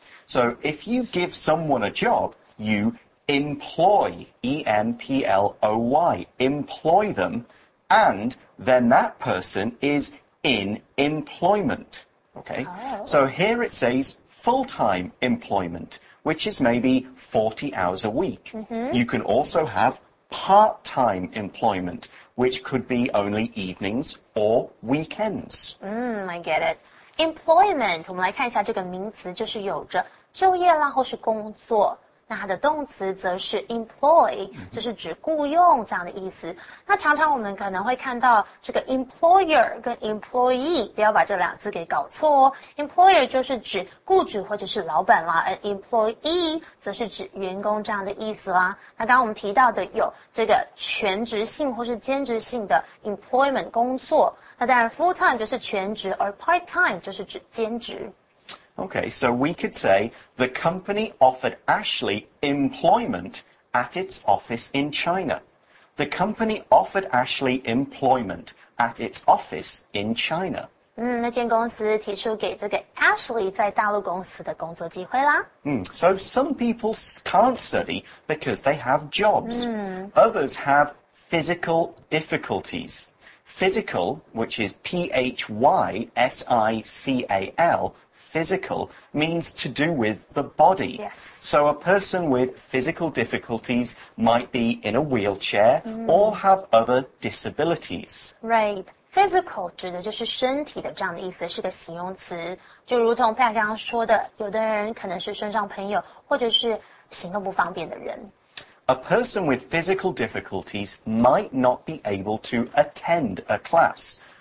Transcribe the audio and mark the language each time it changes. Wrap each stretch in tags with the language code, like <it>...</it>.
<en>So if you give someone a job, you employ, E-M-P-L-O-Y, employ them, and then that person is in employment. Okay, so here it says full-time employment, which is maybe 40 hours a week. Mm-hmm. You can also have part-time employment, which could be only evenings or weekends. I get it.</en> <zh>Employment, 我们来看一下这个名词，就是有着就业啦或是工作。那它的动词则是 employ, 就是指雇用这样的意思。那常常我们可能会看到这个 employer 跟 employee, 不要把这两字给搞错哦。 employer 就是指雇主或者是老板啦，而 employee 则是指员工这样的意思啦。那刚刚我们提到的有这个全职性或是兼职性的 employment 工作，那当然 full time 就是全职，而 part time 就是指兼职。</zh> <en>Okay, so we could say the company offered Ashley employment at its office in China. The company offered Ashley employment at its office in China.</en> <zh>那间公司提出给这个 Ashley 在大陆公司的工作机会啦。</zh> <en>So some people can't study because they have jobs. Others have physical difficulties. Physical, which is P-H-Y-S-I-C-A-L,Physical means to do with the body. Yes. So a person with physical difficulties might be in a wheelchair or have other disabilities. Right.</en> <zh>Physical 指的就是身体的这样的意思，是个形容词。就如同佩雅刚刚说的，有的人可能是身上朋友或者是行动不方便的人。</zh> <en>A person with physical difficulties might not be able to attend a class.</en>